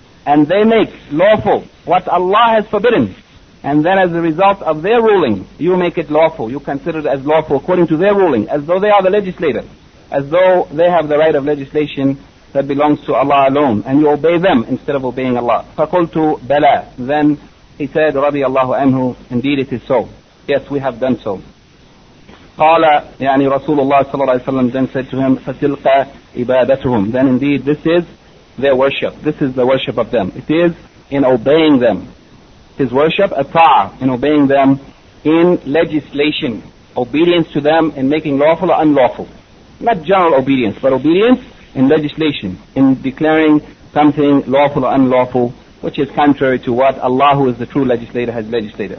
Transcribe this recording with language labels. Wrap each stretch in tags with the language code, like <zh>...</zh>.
<en>And they make lawful what Allah has forbidden, and then as a result of their ruling, you make it lawful. You consider it as lawful according to their ruling, as though they are the legislator, as though they have the right of legislation that belongs to Allah alone, and you obey them instead of obeying Allah.</en> <ar>فَقُلْتُ بَلَى.</ar> <en>Then he said,</en> <ar>رَضِيَ اللَّهُ عَنْهُ,</ar> <en>indeed it is so. Yes, we have done so.</en> <ar>قَالَ, يعني رَسُولُ اللَّهِ صَلَّى اللَّهِ وَسَلَّمَ,</ar> <en>then said to him,</en> <ar>فَتِلْقَ إِبَادَتُهُمْ.</ar> <en>Then indeed this is their worship. This is the worship of them. It is in obeying them. His worship, ata'a, in obeying them in legislation, obedience to them in making lawful or unlawful. Not general obedience, but obedience in legislation, in declaring something lawful or unlawful, which is contrary to what Allah, who is the true legislator, has legislated.</en>